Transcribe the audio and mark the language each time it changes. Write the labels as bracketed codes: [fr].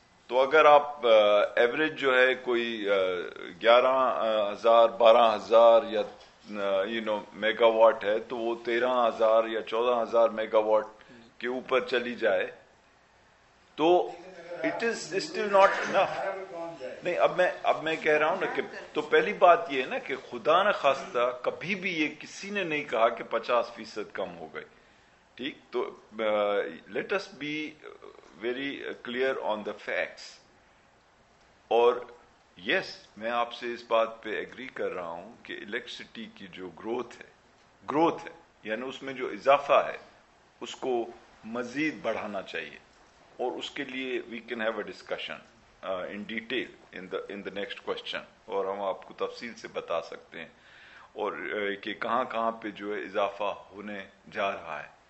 [ur] تو اگر آپ ایوریج جو ہے کوئی 11,000, 12,000 یا میگا واٹ ہے تو وہ 13,000 یا 14,000 میگا واٹ کے اوپر چلی جائے تو it is still not enough. نہیں, اب میں کہہ رہا ہوں نا کہ تو پہلی بات یہ ہے نا کہ خدا نخواستہ کبھی بھی یہ کسی نے نہیں کہا کہ 50% کم ہو گئی. [en] ٹھیک, تو let us be very clear on the facts. [ur] اور یس, میں آپ سے اس بات پہ ایگری کر رہا ہوں کہ الیکٹریسٹی کی جو گروتھ ہے یعنی اس میں جو اضافہ ہے اس کو مزید بڑھانا چاہیے, اور اس کے لیے we can have a discussion in detail in the next question, اور ہم آپ کو تفصیل سے بتا سکتے ہیں اور کہ کہاں کہاں پہ جو ہے اضافہ ہونے جا رہا ہے.